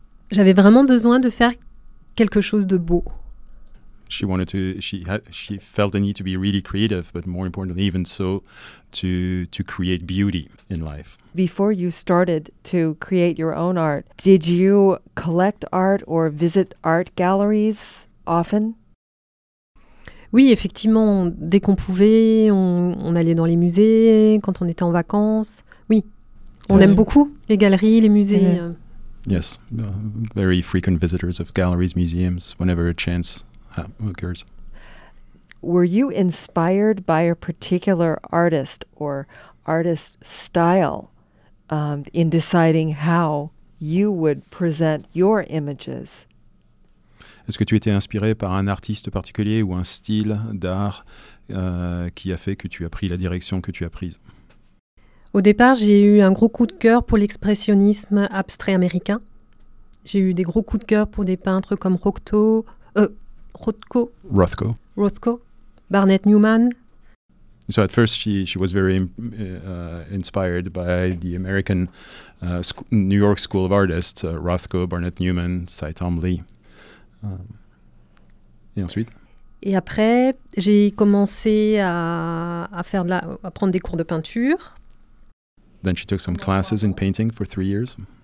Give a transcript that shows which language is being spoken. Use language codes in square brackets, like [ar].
[fr] J'avais vraiment besoin de faire quelque chose de beau. [en] She felt the need to be really creative, but more importantly, even so, to create beauty in life. Before you started to create your own art, did you collect art or visit art galleries often? [fr] Oui, effectivement, dès qu'on pouvait, on allait dans les musées, quand on était en vacances. Oui, on aime beaucoup les galeries, les musées. Mm-hmm. [en] Yes, very frequent visitors of galleries, museums, whenever a chance occurs. Were you inspired by a particular artist or artist style in deciding how you would present your images? [fr] Est-ce que tu étais inspiré par un artiste particulier ou un style d'art qui a fait que tu as pris la direction que tu as prise? Au départ, j'ai eu un gros coup de cœur pour l'expressionnisme abstrait américain. J'ai eu des gros coups de cœur pour des peintres comme Rothko, Barnett Newman. [en] So at first she was very inspired by the American New York School of Artists, Rothko, Barnett Newman, Cy Tom Lee. [fr] Et ensuite? Et après, j'ai commencé à prendre des cours de peinture. [en] Then she took some classes in painting for 3 years.